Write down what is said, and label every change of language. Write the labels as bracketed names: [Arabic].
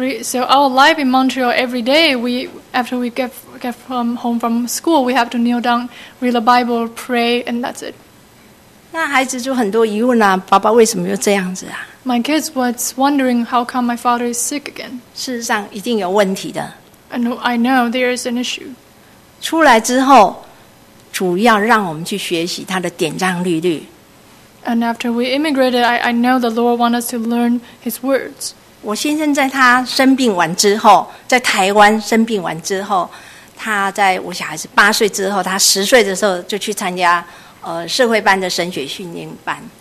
[English] so our life in Montreal every day, after we get from home from school, we have to kneel down, read the Bible, pray, and that's it. [Chinese] 那孩子就很多疑问啊，爸爸为什么又这样子啊？ [English] My kids was wondering how come my father is sick again. [Chinese] 事实上一定有问题的。 [English] And I know there is an issue. [Chinese] 出来之后, 主要让我们去学习他的典章律律。 [English] And after we immigrated, I know the Lord wants us to learn his words. [Chinese] 我先生在他生病完之后, 在台湾生病完之后, 他在我小孩子8岁之后, 他10岁的时候就去参加, 社会班的神学训练班。